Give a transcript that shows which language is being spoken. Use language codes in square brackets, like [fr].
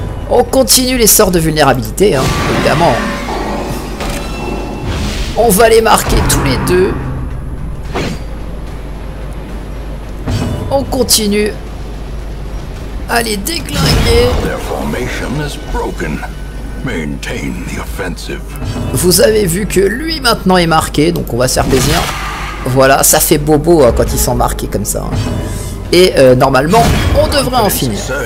[fr] On continue les sorts de vulnérabilité, hein, évidemment. On va les marquer tous les deux. On continue à les déglinguer. [en] Their formation is broken. Maintain the offensive. [fr] Vous avez vu que lui maintenant est marqué, donc on va se faire plaisir. Voilà, ça fait bobo hein, quand ils sont marqués comme ça. Hein. Et normalement, on devrait en finir.